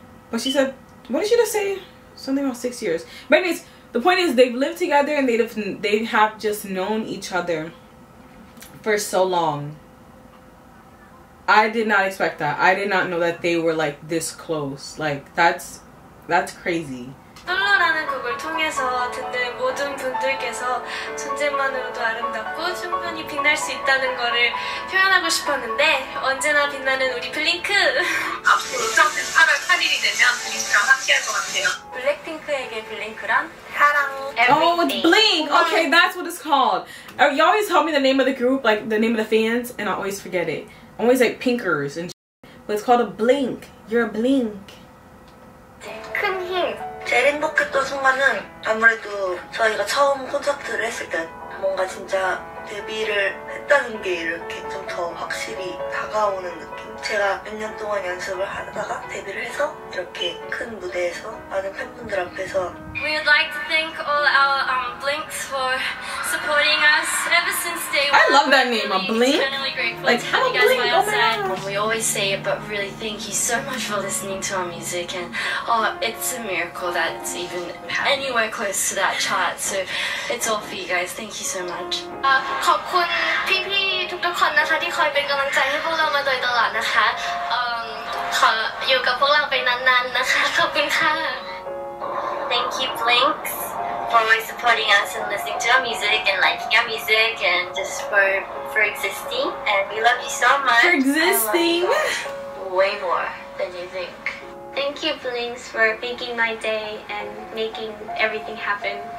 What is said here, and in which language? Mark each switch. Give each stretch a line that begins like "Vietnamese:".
English: But she said, what did she just say? Something about 6 years. But anyways, the point is they've lived together and they have just known each other for so long. I did not expect that. I did not know that they were like this close. Like, that's crazy.
Korean: 솔로라는 곡을 통해서 듣는 모든 분들께서 존재만으로도 아름답고 충분히 빛날 수 있다는 거를 표현하고 싶었는데 언제나 빛나는 우리 블링크! 앞으로 저는 8월 8일이 되면 블링크랑 함께할 것 같아요. 블랙핑크에게 블링크란? 사랑.
English: Oh, Blink! Okay, that's what it's called. You always tell me the name of the group, like the name of the fans, and I always forget it. Always like Pinkers and but it's called a Blink. You're a Blink.
Korean: 큰 힘. 제일 행복했던 순간은 아무래도 저희가 처음 콘서트를 했을 때 뭔가 진짜 데뷔를 했다는 게 이렇게 좀 더 확실히 다가오는 느낌. 제가 몇 년 동안 연습을 하다가 데뷔를 해서 이렇게 큰 무대에서 많은 팬분들 앞에서
English: We would like to thank all our Blinks for supporting us ever since day one. I love that name, a Blink. Like, how a Blink, oh my god. We always say it, but really thank you so much for listening to our music. And it's a miracle that it's even anywhere close to that chart. So it's all for you guys. Thank you so much.
Thai: ขอบคุณ PP ทุกๆคนนะคะที่คอยเป็นกำลังใจให้พวกเรามาโดยตลอดนะคะ ขออยู่กับพวกเราไปนานๆนะคะขอบคุณค่ะ
English: Thank you, Blinks, for always supporting us and listening to our music and liking our music and just for existing. And we love you so much. For existing. I love you way more than you think. Thank you, Blinks, for making my day and making everything happen.